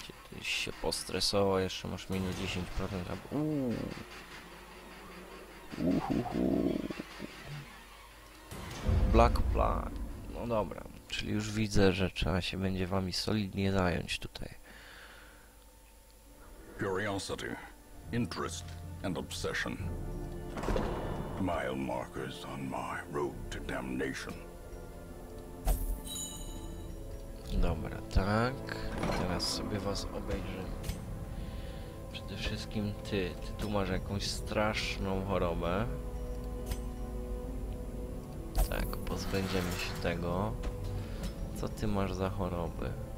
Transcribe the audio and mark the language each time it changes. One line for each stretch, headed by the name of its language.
Polish: Kiedyś się postresował, jeszcze masz minus 10%.
English: Black plan.
Polish: No dobra, czyli już widzę, że trzeba się będzie wami solidnie zająć tutaj.
English: Curiosity, interest and obsession. Mile markers on my road to damnation.
Polish: Dobra, tak. Teraz sobie was obejrzę. Przede wszystkim ty tu masz jakąś straszną chorobę. Tak, pozbędziemy się tego. Co ty masz za choroby?